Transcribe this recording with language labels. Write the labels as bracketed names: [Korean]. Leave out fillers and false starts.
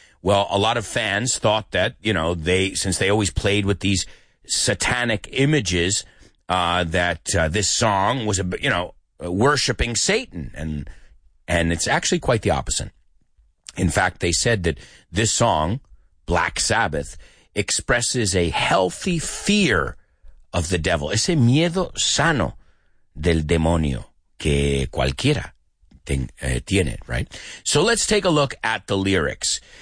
[English] Well, a lot of fans thought that, you know, they, since they always played with these satanic images, that, this song was, you know, worshiping Satan. And it's actually quite the opposite. In fact, they said that this song, Black Sabbath, expresses a healthy fear of the devil. [Spanish] Ese miedo sano del demonio que cualquiera tiene, right? [English] So let's take a look at the lyrics.